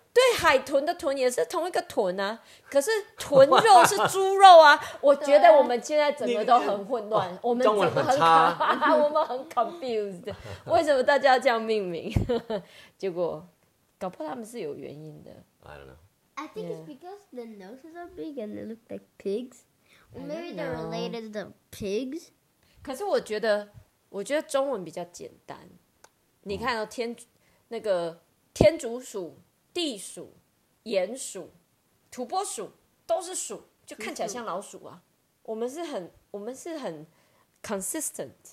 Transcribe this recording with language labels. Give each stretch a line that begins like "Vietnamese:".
Chinese: 对，海豚的豚也是同一个豚啊。可是豚肉是猪肉啊。我觉得我们现在整个都很混乱，我们中文很差，我们很 confused， 为什么大家要这样命名？结果搞不好他们是有原因的。
English: I don't know. I think、yeah. it's because the noses are big and they look like pigs. Well, maybe they're related to pigs.
Chinese: 可是我觉得中文比较简单。你看到、哦、天那个天竺鼠、地鼠、鼹鼠、土拨鼠都是鼠，就看起来像老鼠啊。我们是很 consistent.